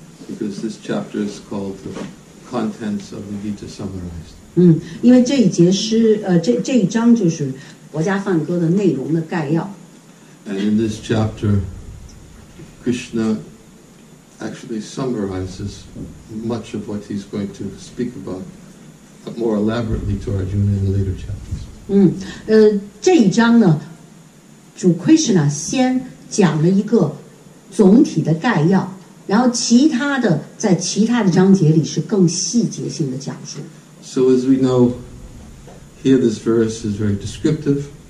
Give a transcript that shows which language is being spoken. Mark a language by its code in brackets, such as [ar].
[en] Because this chapter is called the contents of the Gita summarized. [zh] 因为这一节诗，这一章就是国家梵歌的内容的概要。 [en] And in this chapter, Krishna actually summarizes much of what he's going to speak about more elaborately to Arjuna in the later chapters. [zh] 这一章呢，主 Krishna 先讲了一个总体的概要。然后其他的在其他的章节里是更细节性的讲述。 [en] So as we know, here this verse is very descriptive.